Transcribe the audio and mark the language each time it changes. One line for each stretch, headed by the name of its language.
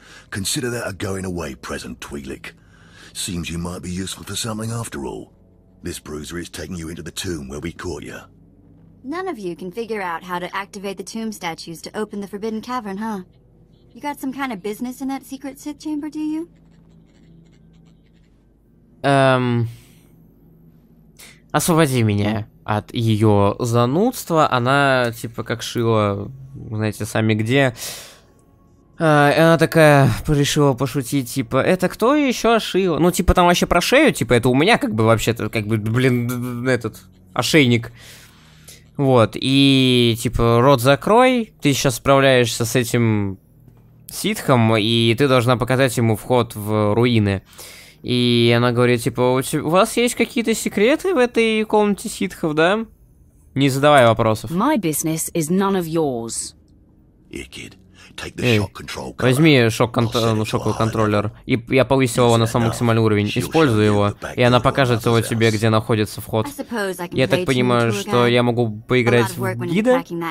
English: Consider that a going away present, Twi'lek. Seems you might be useful for something after all. This bruiser is taking you into the tomb where we caught you. None of you can figure out how to activate the tomb statues to open the Forbidden Cavern, huh? You got some kind of business in that secret Sith chamber, do you?
Russian: Освободи меня от ее занудства. Она типа как шила, знаете сами где. И она такая решила пошутить, типа, это кто еще ошил? Ну, типа, там вообще про шею, типа, это у меня, как бы, вообще-то, как бы, блин, этот, ошейник. Вот, и, типа, рот закрой, ты сейчас справляешься с этим ситхом, и ты должна показать ему вход в руины. И она говорит, типа, у вас есть какие-то секреты в этой комнате ситхов, да? Не задавай вопросов.
English: My business is none of yours. Икид.
Russian: Возьми шоковый контроллер, и я повысил его на самый максимальный уровень. Используй его, и она покажет его тебе, где находится вход. Я так понимаю, что я могу поиграть в гида?